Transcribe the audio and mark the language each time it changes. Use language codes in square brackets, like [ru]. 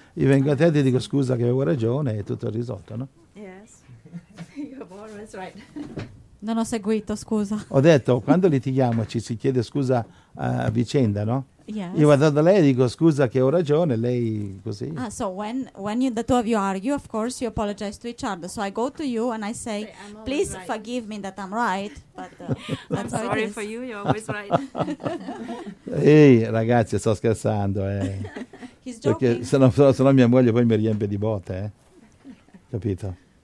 [it] Io vengo a te e ti dico scusa che avevo ragione e tutto è risolto, no? [en] Yes, you have always right. [it] Non ho seguito, scusa. Ho detto, quando litighiamo ci si chiede scusa a vicenda, no? [en] Yes. [it] Io vado da lei e dico scusa che ho ragione, lei così. [en] Ah, so when you, the two of you argue, of course you apologize to each other. So I go to you and I say, please right. forgive me that I'm right. But I'm sorry for you, you're always right. [it] Ehi, ragazzi, sto scherzando, [en] He's joking. [it] Sennò mia moglie poi mi riempie di botte, Capito?